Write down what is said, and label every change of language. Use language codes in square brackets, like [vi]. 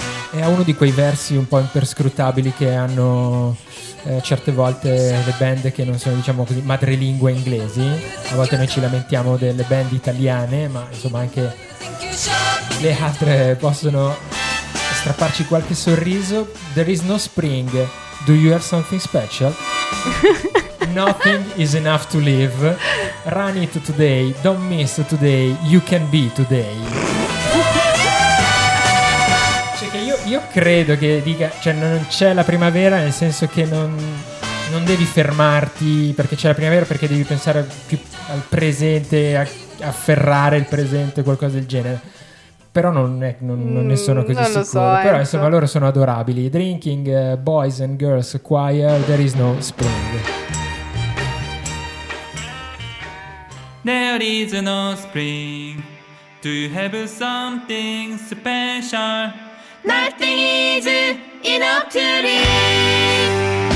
[it] È uno di quei versi un po' imperscrutabili che hanno certe volte le band che non sono, diciamo così, madrelingua inglesi. A volte noi ci lamentiamo delle band italiane, ma insomma anche le altre possono strapparci qualche sorriso. [en] There is no spring. Do you have something special? Nothing is enough to live. Run it today. Don't miss today. You can be today. [it] Cioè che io credo che dica, cioè non c'è la primavera, nel senso che non devi fermarti perché c'è la primavera, perché devi pensare più al presente, a afferrare il presente, qualcosa del genere. Però non ne sono così non sicuro. Lo so, però ecco, insomma loro sono adorabili. [en] Drinking Boys and Girls Choir, There Is No Spring. There is no spring. Do you have something special? Nothing is enough to live.